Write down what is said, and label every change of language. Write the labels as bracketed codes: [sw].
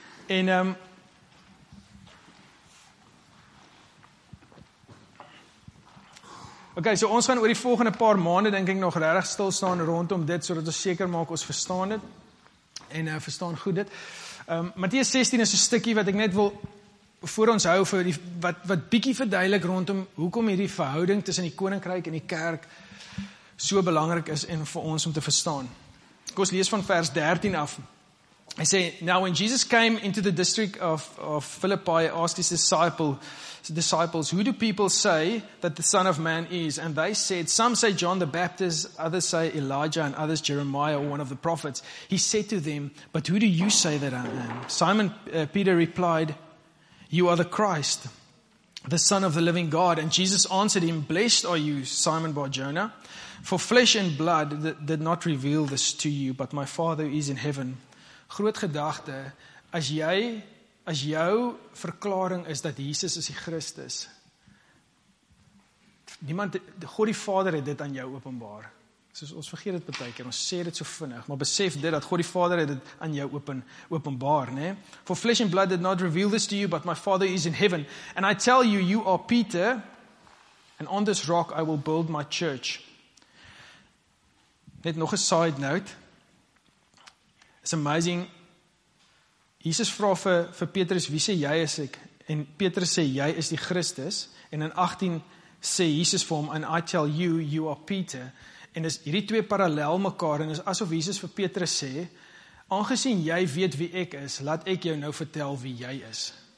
[af] En ok, so ons gaan oor die volgende paar maande, denk ek, nog regtig stilstaan rondom dit, so dat ons seker maak, ons verstaan dit, en verstaan goed dit. Matteus 16 is 'n stikkie wat ek net wil voor ons hou, vir die, wat bietjie verduidelik rondom, hoekom hierdie verhouding tussen die koninkryk en die kerk so belangrik is, en vir ons om te verstaan. Kom, ons lees van vers 13 af. [en] Hy sê, now when Jesus came into the district of Philippi, asked his disciples, who do people say that the Son of Man is? And they said, some say John the Baptist, others say Elijah, and others Jeremiah, one of the prophets. He said to them, but who do you say that I am? Simon Peter replied, you are the Christ, the Son of the living God. And Jesus answered him, blessed are you, Simon Bar-Jonah, for flesh and blood did not reveal this to you, but my Father is in heaven. [af] Groot gedagte, as jou verklaring is dat Jesus is die Christus, niemand, God die Vader het dit aan jou openbaar. Soos ons vergeet dit baie keer, ons sê dit so vinnig, maar besef dit, dat God die Vader het dit aan jou openbaar. Nee? [en] For flesh and blood did not reveal this to you, but my Father is in heaven. And I tell you, you are Peter, and on this rock I will build my church. [af] Net nog een side note, [en] it's amazing. [af] Jesus vra vir Petrus, wie sê jy is ek? En Petrus sê, jy is die Christus. En in 18 sê Jesus vir hom, [en] and I tell you, you are Peter. [af] En is hierdie twee parallel mekaar, en is asof Jesus vir Petrus sê, aangesien jy weet wie ek is, laat ek jou nou vertel wie jy is.